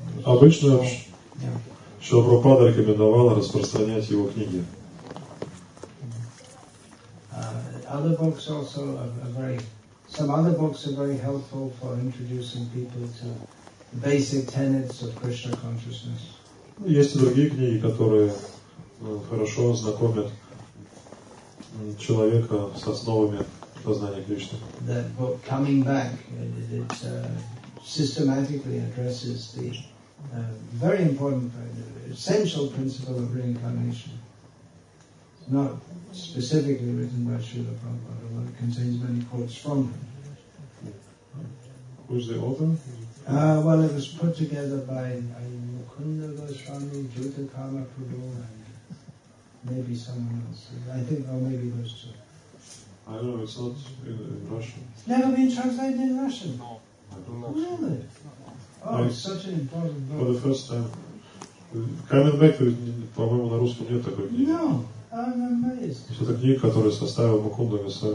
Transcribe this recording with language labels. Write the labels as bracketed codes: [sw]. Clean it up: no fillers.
[ru] Обычно Шрила Прабхупада рекомендовал распространять его книги. [en] Other books also are very, some other books are very helpful for introducing people to basic tenets of Krishna consciousness. [ru] Есть и другие книги, которые хорошо знакомят человека с основами познания Кришны. [en] That book, Coming Back, it systematically addresses the very important, essential principle of reincarnation. Not specifically written by Srila Prabhupada, but it contains many quotes from him. Who's the author? Well, it was put together by Mukunda Goswami, Jyota Kama Prabhu, and maybe someone else. I think, or maybe those two. I don't know, it's not in Russian. It's never been translated in Russian? No. Really? Oh, it's such an important book. For the first time. [ru] Coming Back, по-моему, на русском нет такой книги. [en] No. I'm amazed. [ru] Это книга, которую составил Мукунда Госвами.